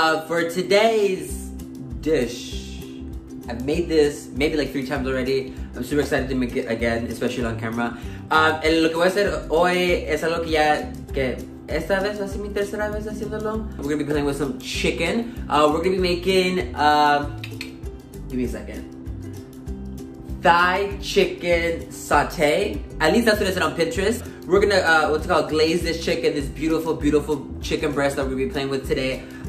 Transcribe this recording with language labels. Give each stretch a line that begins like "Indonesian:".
English: For today's dish, I've made this maybe like 3 times already. I'm super excited to make it again, especially on camera.
Spanish: Lo que voy a hacer hoy es algo que ya... Que esta vez va a ser mi tercera vez haciéndolo.
English: We're going to be playing with some chicken. We're going to be making... give me a second. Thigh chicken satay. At least that's what it said on Pinterest. We're gonna, what's it called, glaze this chicken, this beautiful, beautiful chicken breast that we're gonna be playing with today.